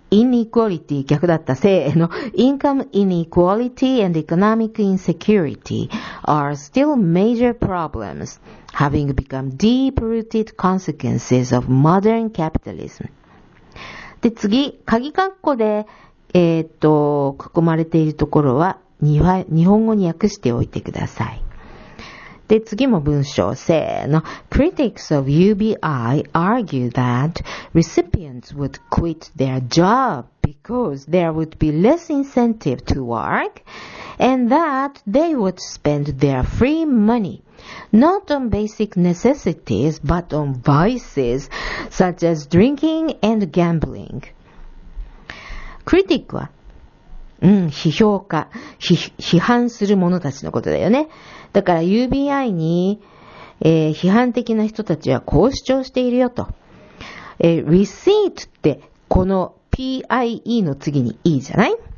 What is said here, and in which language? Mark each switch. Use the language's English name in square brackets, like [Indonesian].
[English] inequality、 [Japanese] 逆だった。せーの。 [English] income inequality and economic insecurity are still major problems having become deep-rooted consequences of modern capitalism。 [Japanese] で、次、鍵括弧で、囲まれているところは、日本語に訳しておいてください。で、次も文章、せーの。 [English] Critics of UBI argue that recipients would quit their job because there would be less incentive to work and that they would spend their free money not on basic necessities but on vices such as drinking and gambling. [Japanese] クリティックは、批評家、批判する者たちのことだよね。だから UBI に、批判的な人たちはこう主張しているよと。 receipt ってこの PIE の次に E じゃない?